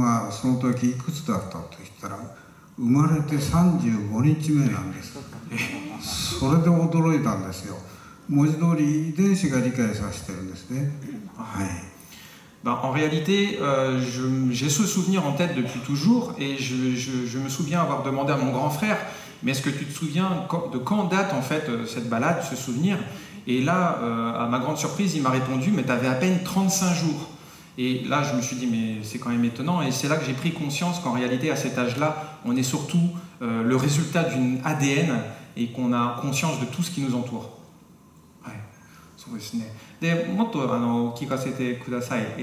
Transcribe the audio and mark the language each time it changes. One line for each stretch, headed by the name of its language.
Japanese: その時いくつだったと言ったら生まれて35日目なんですそれで驚いたんですよ文字通り遺伝子が理解させてるんですねはい。
French: Ben, en réalité, j'ai ce souvenir en tête depuis toujours et je me souviens avoir demandé à mon grand frère « Mais est-ce que tu te souviens de quand date en fait cette balade, ce souvenir ?» Et là, à ma grande surprise, il m'a répondu « Mais tu avais à peine 35 jours. » Et là, je me suis dit « Mais c'est quand même étonnant. » Et c'est là que j'ai pris conscience qu'en réalité, à cet âge-là, on est surtout le résultat d'une ADN et qu'on a conscience de tout ce qui nous entoure. Ouais, c'est vrai, c'est vrai.
Japanese: でもっとあの聞かせてください。